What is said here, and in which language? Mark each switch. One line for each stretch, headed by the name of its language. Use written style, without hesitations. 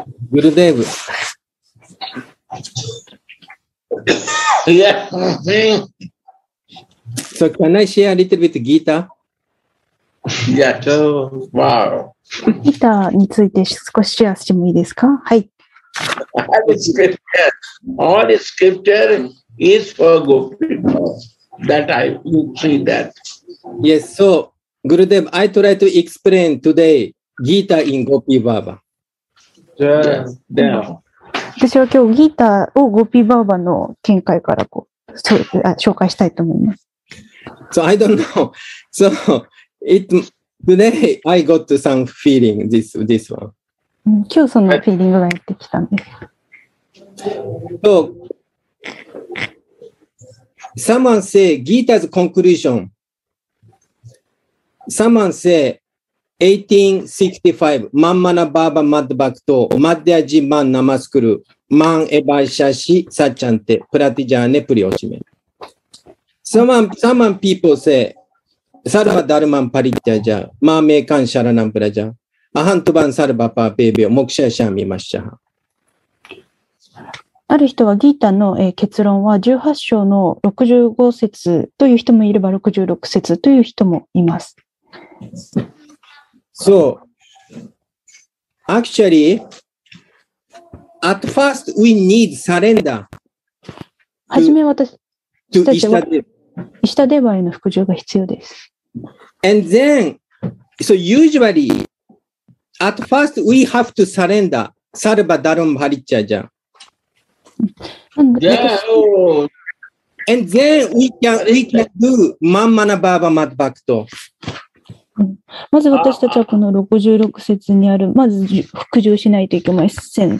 Japanese: グルデーブ。
English: Yeah. So can I share a little bit Gita? Yeah, so, wow.
Japanese: Gita について少しシェアしてもいいですか? はい。
English: All the scripture, all the scripture is for Gopi. That I will see that. Yes, so Gurudev, I try to explain today Gita in Gopi Baba. Yeah.
Japanese: 私は今日 Gita を Gopi Baba の見解からこう紹介したいと思います。
English: So I don't know. So it today I got some feeling this one.
Japanese: 今日そのフィーリングがやってきたんです。
English: So someone say Gita's conclusion. Someone say
Sanskrit: 1865 Mammana Baba Madhbhakto Madhyaji Man Namaskuru Man Ebaishashi Sachante Pratijane Priyoshime.
English: Someone people say,
Sanskrit: Sarva Dharman Parityaja, Mame Kan Sharanam Praja, Ahantuban Sarva Papebyo, Moksha Shami Mashaha.
Japanese: ある人はギータの結論は18章の65節という人もいれば66節という人もいます。
English: So, actually, at first we need surrender.
Japanese: はじめ私たちは。イシタデバへの服従が必要です。
English: And then, so usually, at first we have to surrender.
Sanskrit: サルバダルンバリッチャジャン。
English: Yeah. And then we can do
Sanskrit: マンマナバーバマッバクト。
Japanese: まず私たちはこの66節にある、まず服従しないといけません。